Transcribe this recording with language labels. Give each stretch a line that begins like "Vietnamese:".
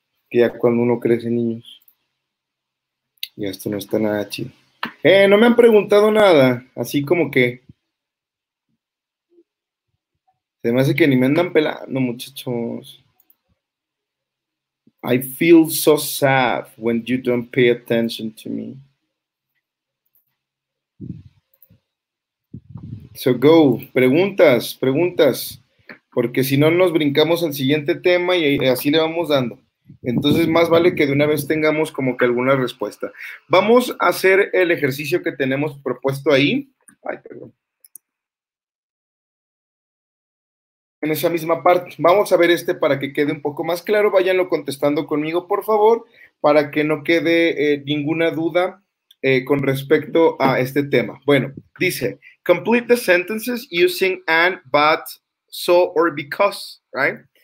Spanish: Que ya cuando uno crece, niños, ya esto no está nada chido. No me han preguntado nada, así como que. Se me hace que ni me andan pelando, muchachos.
English: I feel so sad when you don't pay attention to me.
Spanish: So go, preguntas, porque si no nos brincamos al siguiente tema y así le vamos dando. Entonces más vale que de una vez tengamos como que alguna respuesta. Vamos a hacer el ejercicio que tenemos propuesto ahí. Ay, perdón. En esa misma parte, vamos a ver este para que quede un poco más claro. Váyanlo contestando conmigo, por favor, para que no quede ninguna duda con respecto a este tema. Bueno, dice,
English: complete the sentences using and, but, so, or because, right?